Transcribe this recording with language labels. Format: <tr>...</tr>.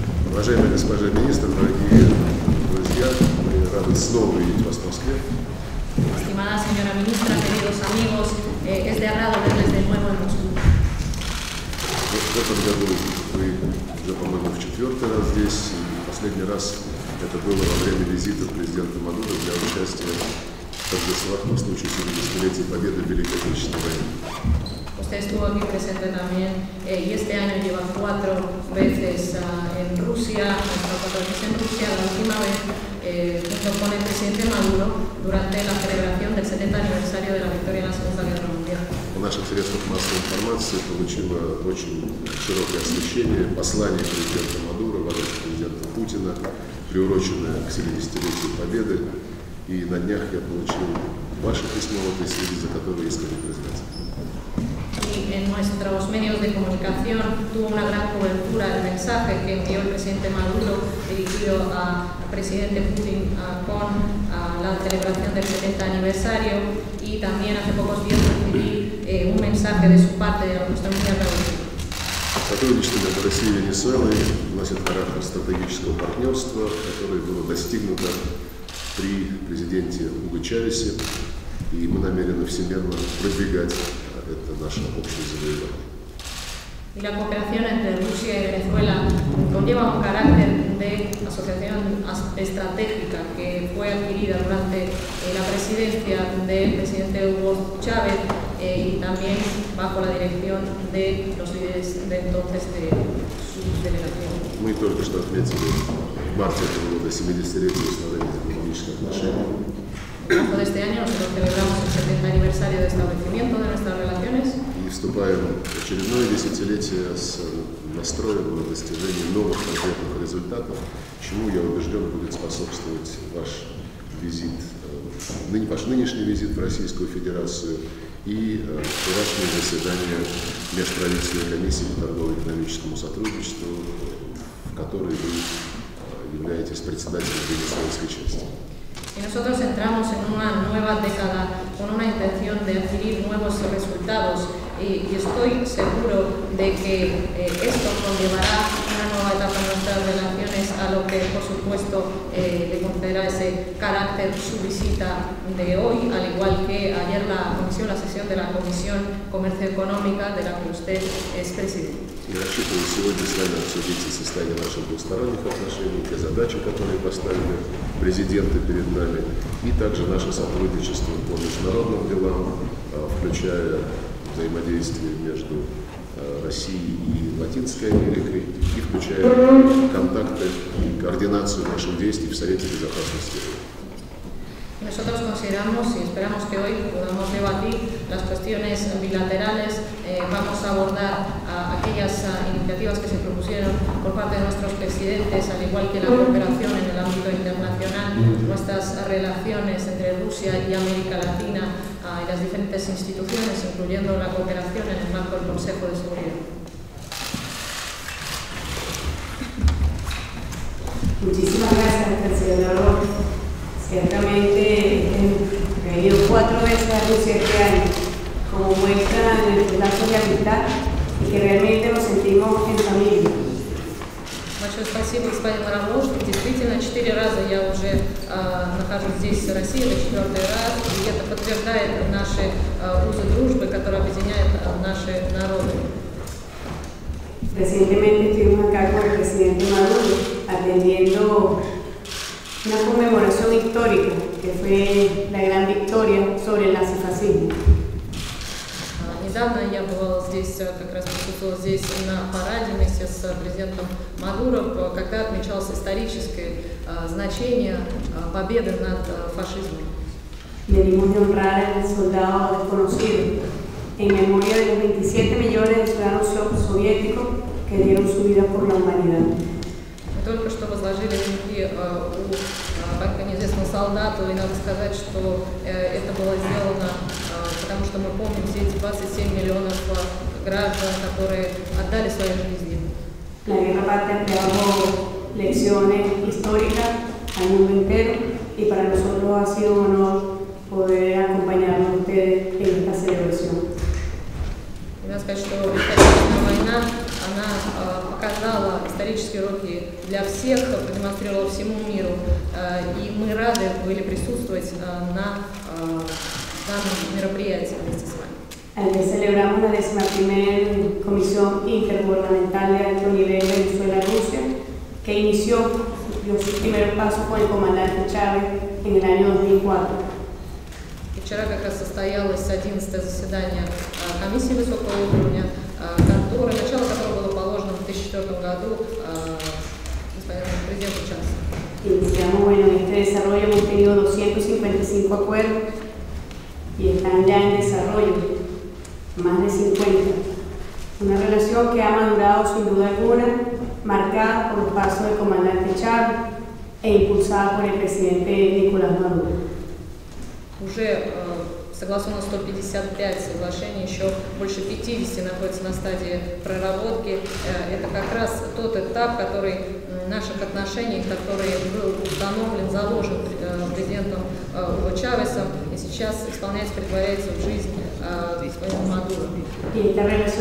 <ru>уважаемые госпожи министры, дорогие друзья, мы рады снова видеть вас в Москве.</ru> <es>Estimada señora ministra, queridos amigos, es de agrado verles de nuevo en Moscú.</es> <ru>В этом году вы уже, по-моему, в четвертый раз здесь. И последний раз это было во время визита президента Мадуро для участия в торжествах по случаю 70-летия победы в Великой Отечественной войне.</ru> <es>Usted estuvo aquí presente también y este año lleva cuatro veces en Rusia, la última vez junto con el presidente Maduro durante la celebración del 70 aniversario de la victoria en la Segunda Guerra Mundial.</es> <ru>Наших средствах массовой информации получило очень широкое освещение послание президента Мадуро, воротах президента Путина, приуроченное к 70-летию Победы. И на днях я получил ваше письмо в этой связи, за которое искренне признательны. И</ru> <es>en nuestros medios de comunicación tuvo una gran cobertura el mensaje que envió el presidente Maduro dirigido a presidente Putin con la celebración del 70 aniversario y también hace pocos días recibí un mensaje de su parte de nuestra Unión Europea.</es> <ru>Сотрудничество между Россией и Венесуэлой носит характер стратегического партнерства, которое было достигнуто при президенте Уго Чавесе, и мы намерены всемерно продвигать. Это наше общее завоевание. И</ru> <es>la cooperación entre Rusia y Venezuela conlleva un carácter de asociación estratégica que fue adquirida durante la presidencia del presidente Hugo Chávez y también bajo la dirección de los líderes de entonces de su delegación.</es> <ru>Мы только что отметили в марте этого года 70-летие установления дипломатических отношений.</ru> <es>Este año nosotros celebramos el 70 aniversario de establecimiento de nuestras relaciones. Y</es> <ru>вступаем в очередное десятилетие с настроем на достижение новых конкретных результатов, чему, я убежден, будет способствовать ваш визит, ваш нынешний визит в Российскую Федерацию и вчерашнее заседание Межправительственной комиссии по торгово-экономическому сотрудничеству, в которой вы являетесь председателем венесуэльской части.</ru> <es>Y nosotros entramos en una nueva década con una intención de adquirir nuevos resultados y estoy seguro de que esto conllevará una nueva etapa en nuestras relaciones a lo que, por supuesto, le concederá ese carácter su visita de hoy, al igual que ayer la sesión de la Comisión Comercio Económica de la que usted es presidente.</es> <ru>Я рассчитываю сегодня с вами обсудить состояние наших двусторонних отношений, те задачи, которые поставили президенты перед нами, и также наше сотрудничество по международным делам, включая взаимодействие между Россией и Латинской Америкой, и включая контакты и координацию наших действий в Совете Безопасности.</ru> <es>Nosotros consideramos y esperamos que hoy podamos debatir las cuestiones bilaterales. Vamos a abordar aquellas iniciativas que se propusieron por parte de nuestros presidentes, al igual que la cooperación en el ámbito internacional, nuestras relaciones entre Rusia y América Latina y las diferentes instituciones, incluyendo la cooperación en el marco del Consejo de Seguridad. Muchísimas gracias, presidente. Ciertamente, he ido cuatro veces a Rusia este año, como muestra el lazo de amistad y que realmente nos sentimos en familia.</es> <ru>Большое спасибо, господин Маравлов. Действительно, четыре раза я уже нахожусь здесь, в России, это четвертый раз. И это подтверждает наши узы дружбы, которые объединяют наши народы.</ru> <es>Recientemente estuvimos acá con el presidente Maduro atendiendo una conmemoración histórica, que fue la gran victoria sobre el nazifascismo.</es> <ru>Недавно я бывала здесь, как раз присутствовала здесь на параде вместе с президентом Мадуро, когда отмечалось историческое значение победы над фашизмом.</ru> <es>Venimos de honrar al soldado desconocido en memoria de los 27 millones de ciudadanos soviéticos que dieron su vida por la humanidad.</es> <ru>Только что возложили венки у неизвестного солдата, и надо сказать, что это было сделано, потому что мы помним все эти 27 миллионов граждан, которые отдали свои жизни.</ru> <es>La guerra patria creó lecciones históricas al mundo entero, y para nosotros ha sido un honor poder acompañarlos a ustedes en esta celebración.</es> <ru>Надо сказать, что эта война, она показала исторические уроки для всех продемонстрировала всему миру, и мы рады были присутствовать на данном мероприятии вместе с вами.</ru> <es>Ayer celebramos la 11ª Comisión Intergubernamental de Alto Nivel de Venezuela-Rusia, que inició su primer paso con el comandante Chávez en el año 2004.</es> <ru>Вчера как раз состоялось 11-е заседание комиссии высокого уровня, которое, начало которого было положено в 2004 году господину президенту Чавесу.</ru> <es>Iniciamos en este desarrollo, hemos tenido 255 acuerdos y están ya en desarrollo, más de 50. Una relación que ha madurado sin duda alguna, marcada por el paso del comandante Chávez e impulsada por el presidente Nicolás Maduro.</es> <ru>Уже согласовано 155 соглашений, еще больше 50 находятся на стадии проработки. Это как раз тот этап, который наших отношений, который был установлен, заложен президентом Уго Чавесом, и сейчас исполняется, притворяется в жизнь господина Мадуро.</ru>